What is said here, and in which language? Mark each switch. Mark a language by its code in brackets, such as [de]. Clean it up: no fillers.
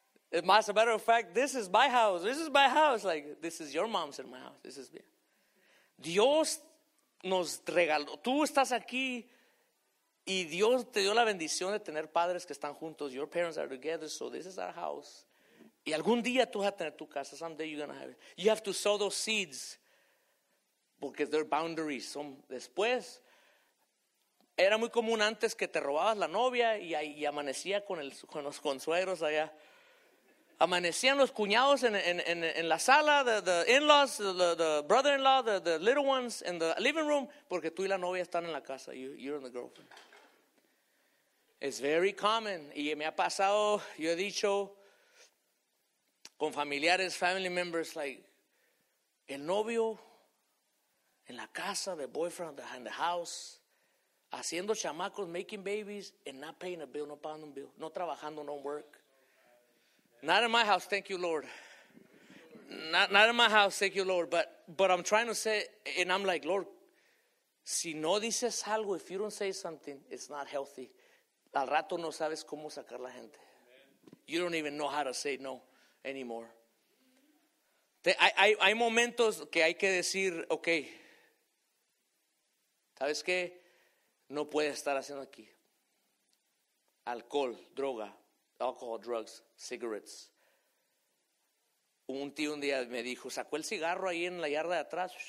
[en] As a matter of fact, this is my house. Like, this is your mom's in my house, this is me. [es] Dios nos regaló, tú estás aquí y Dios te dio la bendición de tener padres que están juntos. [en] Your parents are together, so this is our house. [es] Y algún día tú vas a tener tu casa. [en] Someday you're going to have it. You have to sow those seeds because they're boundaries. [es] Después, era muy común antes que te robabas la novia y amanecía con los consuegros allá. Amanecían los cuñados en la sala, [en] the in-laws, the brother-in-law, the little ones in the living room, [es] porque tú y la novia están en la casa. [en] You're in the girlfriend. It's very common. [es] Y me ha pasado, yo he dicho, con familiares, [en] family members, like, [es] el novio en la casa, [en] the boyfriend in the house, [es] haciendo chamacos, [en] making babies, and not paying a bill, [es] no pagando un bill, no trabajando, [en] no work. Not in my house, thank you, Lord. Not in my house, thank you, Lord. But I'm trying to say, and I'm like, Lord, [es] si no dices algo, [en] if you don't say something, it's not healthy. [es] Al rato no sabes cómo sacar la gente. [en] You don't even know how to say no anymore. [es] Hay momentos que hay que decir, okay, ¿sabes qué? No puedes estar haciendo aquí. Alcohol, droga. [en] Alcohol, drugs, cigarettes. [es] Un tío un día me dijo, sacó el cigarro ahí en la yarda de atrás.